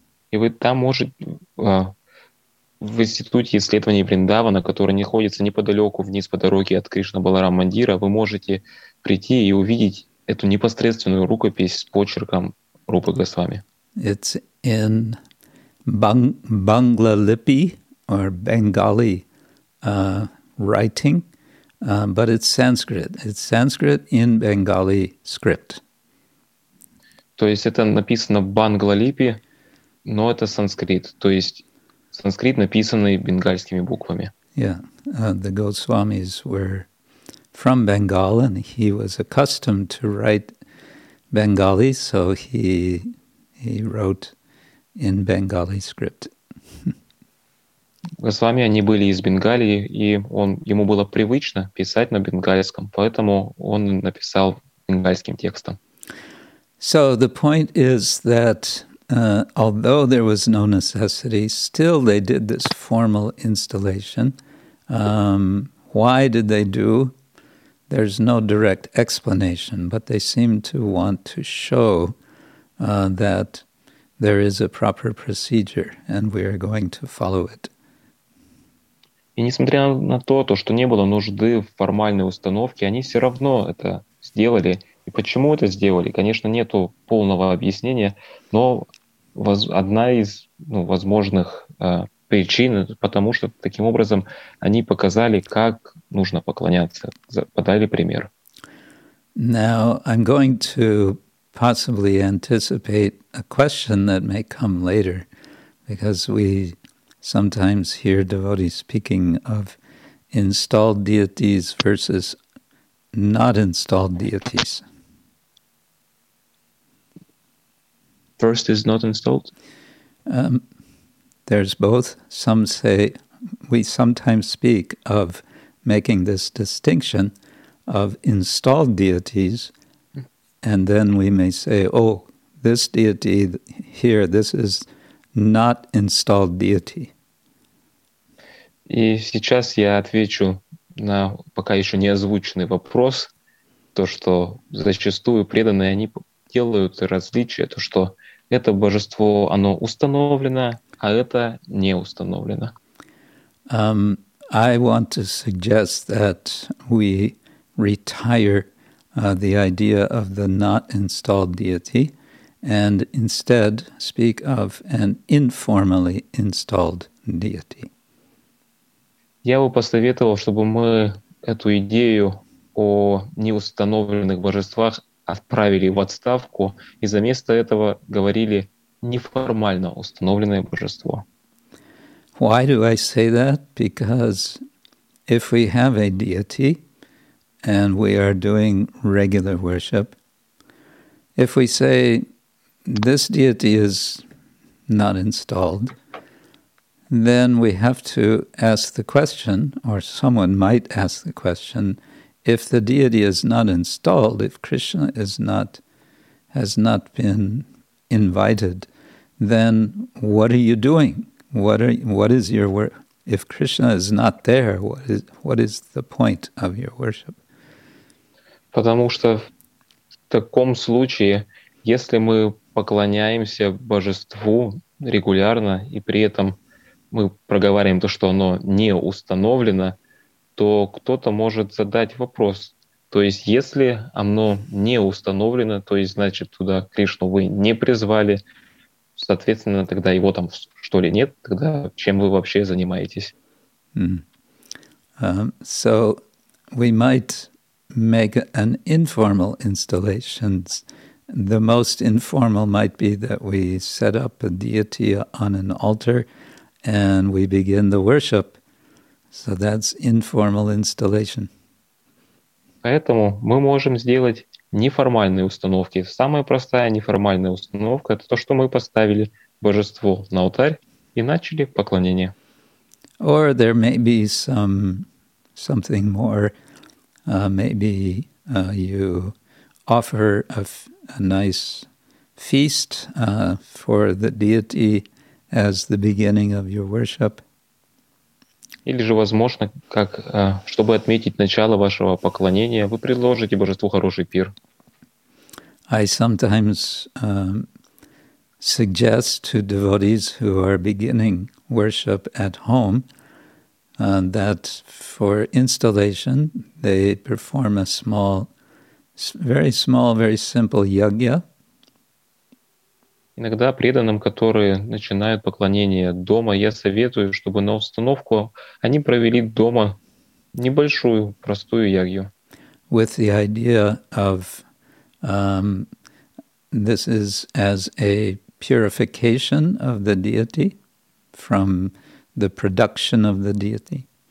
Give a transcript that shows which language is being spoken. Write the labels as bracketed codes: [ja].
[ru] И вы там можете в институте исследований Вриндавана, который находится неподалеку вниз по дороге от Кришна Баларам Мандира, вы можете прийти и увидеть эту непосредственную рукопись с почерком Рупы Госвами. [en] It's in Bangla Lippi or Bengali writing, but it's Sanskrit. It's Sanskrit in Bengali script. [ru] То есть это написано Bangla Lippi, но это санскрит. То есть санскрит, написанный бенгальскими буквами. [en] Yeah, the Goswamis were from Bengal, and he was accustomed to write Bengali, so he wrote in Bengali script. [ru] Госвами, они были из Бенгалии, и он ему было привычно писать на бенгальском, поэтому он написал бенгальским текстом. [en] So the point is that although there was no necessity, still they did this formal installation. Why did they do? There's no direct explanation, but they seem to want to show that there is a proper procedure, and we are going to follow it. [ru] И несмотря на то, что не было нужды в формальной установке, они все равно это сделали. И почему это сделали? Конечно, нету полного объяснения, но одна из возможных причин, потому что таким образом они показали, как нужно поклоняться, подали пример. [en] Now I'm going to possibly anticipate a question that may come later, because we sometimes hear devotees speaking of installed deities versus not installed deities. First is not installed? There's both. Some say, we sometimes speak of making this distinction of installed deities, and then we may say, oh, this deity here, this is not installed deity. [ru] И сейчас я отвечу на пока еще не озвученный вопрос, то, что зачастую преданные, они делают различие, то, что это божество, оно установлено, а это не установлено. [en] I want to suggest that we retire the idea of the not installed deity and instead speak of an informally installed deity. [ru] Я бы посоветовал, чтобы мы эту идею о неустановленных божествах отправили в отставку и за место этого говорили неформально установленное божество. [en] Why do I say that? Because if we have a deity and we are doing regular worship, if we say this deity is not installed, then we have to ask the question, or someone might ask the question, if the deity is not installed, if Krishna is not, has not been invited, then what are you doing? What is your work? If Krishna is not there, what is the point of your worship? [ru] Потому что в таком случае, если мы поклоняемся божеству регулярно и при этом мы проговариваем то, что оно не установлено, то кто-то может задать вопрос. То есть, если оно не установлено, то есть, значит, туда Кришну вы не призвали, соответственно, тогда его там что ли нет, тогда чем вы вообще занимаетесь? [en] So we might make an informal installation. The most informal might be that we set up a deity on an altar and we begin the worship. So that's informal installation. [ru] Поэтому мы можем сделать неформальные установки. Самая простая неформальная установка – это то, что мы поставили божество на алтарь и начали поклонение. [en] Or there may be something more. You offer a nice feast for the deity as the beginning of your worship. [ru] Или же, возможно, как чтобы отметить начало вашего поклонения, вы предложите божеству хороший пир. [en] I sometimes suggest to devotees who are beginning worship at home that for installation they perform a small very small, very simple yajna. [ru] Иногда преданным, которые начинают поклонение дома, я советую, чтобы на установку они провели дома небольшую, простую ягью. [en] With the idea of this is as a purification of the deity from the production of the deity.